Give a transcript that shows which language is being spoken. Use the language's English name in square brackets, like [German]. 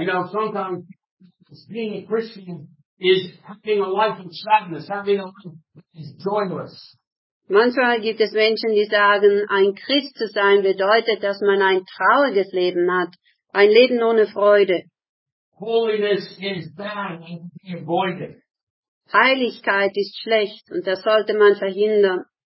[English] You know, sometimes being a Christian is having a life of sadness, having a life that is joyless. [German] Manchmal gibt es Menschen, die sagen, ein Christ zu sein bedeutet, dass man ein trauriges Leben hat, ein Leben ohne Freude. [English] Holiness is bad and be avoided. [German] Heiligkeit ist schlecht und das sollte man verhindern.